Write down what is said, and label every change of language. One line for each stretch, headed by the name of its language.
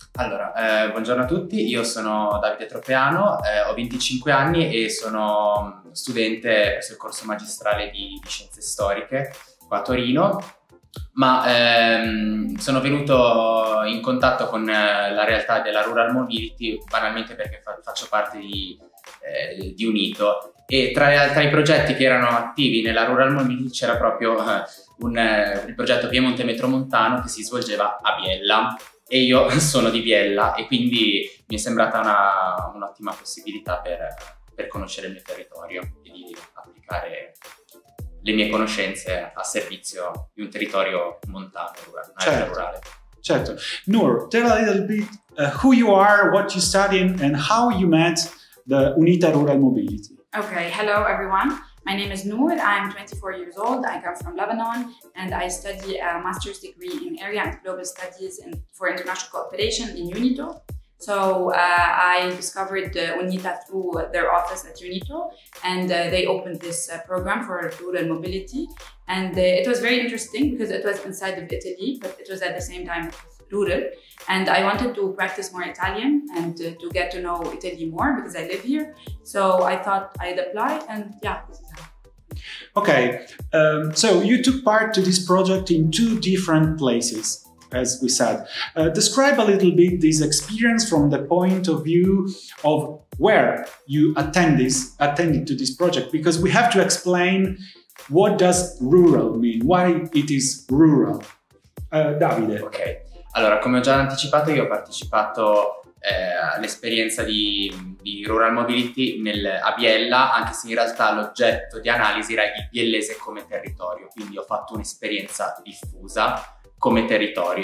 Italian: Allora, buongiorno a tutti, io sono Davide Tropeano, ho 25 anni e sono studente presso il corso magistrale di Scienze Storiche qua a Torino, ma sono venuto in contatto con la realtà della Rural Mobility banalmente perché faccio parte di Unito, e tra i progetti che erano attivi nella Rural Mobility c'era proprio il progetto Piemonte Metromontano che si svolgeva a Biella. E io sono di Biella e quindi mi è sembrata un'ottima possibilità per conoscere il mio territorio e di applicare le mie conoscenze a servizio di un territorio montano, rurale. Certo.
English: Nur, tell a little bit who you are, what you study and how you met the UNITA Rural Mobility. Okay, hello everyone. My name is Nur, I'm 24 years old, I come from Lebanon, and I study a master's degree in area and global studies for international cooperation in UNITO. So I discovered UNITA through their office at UNITO, and they opened this program for rural mobility. And it was very interesting because it was inside of Italy, but it was at the same time rural. And I wanted to practice more Italian and to get to know Italy more because I live here. So I thought I'd apply, and yeah. Okay, so you took part to this project in two different places, as we said. Describe a little bit this experience from the point of view of where you attended to this project, because we have to explain what does rural mean, why it is rural. Davide.
Italian: Okay, allora, come ho già anticipato, io ho partecipato all'esperienza di Rural Mobility a Biella, anche se in realtà l'oggetto di analisi era il biellese come territorio, quindi ho fatto un'esperienza diffusa come territorio.